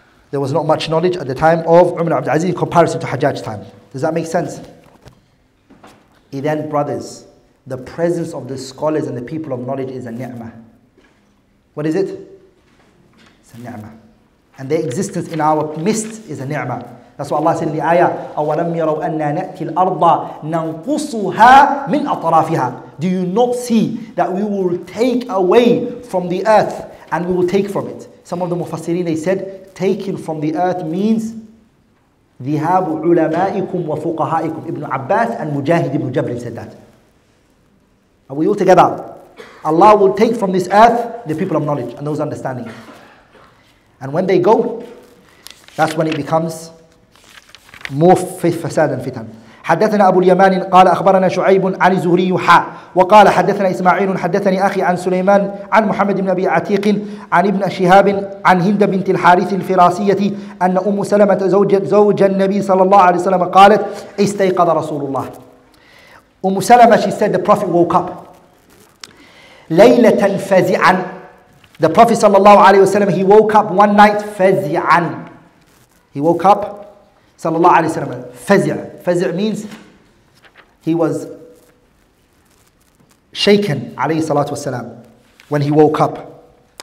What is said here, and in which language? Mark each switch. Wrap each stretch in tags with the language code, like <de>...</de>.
<en>There was not much knowledge at the time of Umar Abdul Aziz in comparison to Hajjaj's time. Does that make sense? Then, brothers, the presence of the scholars and the people of knowledge is a ni'mah. What is it? It's a ni'mah. And their existence in our midst is a ni'mah. That's what Allah said in the ayah,</en> <ar>أَوَلَمْ يَرَوْا أَنَّا نَأْتِي الْأَرْضَ نَنْقُصُهَا مِنْ أَطْرَافِهَا.</ar> <en>Do you not see that we will take away from the earth and we will take from it? Some of the mufassirin, they said, taking from the earth means</en> <ar>ذِهَابُ عُلَمَائِكُمْ وَفُقَهَائِكُمْ.</ar> <en>Ibn Abbas and Mujahid ibn Jabrin said that. Are we all together? Allah will take from this earth the people of knowledge and those understanding. And when they go, that's when it becomes more fasad and fitan.</en> <ar>حدثنا أبو اليمان قال أخبرنا شعيب عن الزهري حاء وقال حدثنا إسماعيل حدثني أخي عن سليمان عن محمد بن أبي عتيق عن ابن شهاب عن هند بنت الحارث الفراسية أن أم سلمة زوج النبي صلى الله عليه وسلم قالت استيقظ رسول الله.</ar> <en>أم سلمة, she said the prophet woke up</en> <ar>ليلة فزعا.</ar> <en>The prophet صلى الله عليه وسلم, he woke up one night فزعا. He woke up sallallahu alayhi wa sallam, fazi'. Fazi' means he was shaken, alayhi salatu wa salam, when he woke up.</en>